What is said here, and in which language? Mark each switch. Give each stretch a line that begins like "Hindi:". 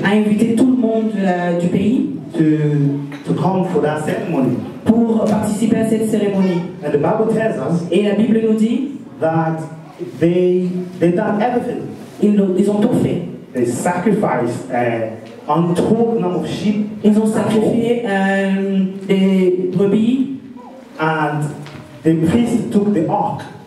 French: A invité tout le monde du pays.
English: To come for that ceremony.
French: Pour participer à cette cérémonie.
English: And the Bible tells us.
French: Et la Bible nous dit.
English: That they done everything.
French: Ils ont tout fait.
English: They sacrificed untold number of sheep.
French: Ils ont sacrifié des brebis.
English: And the priest took the ark.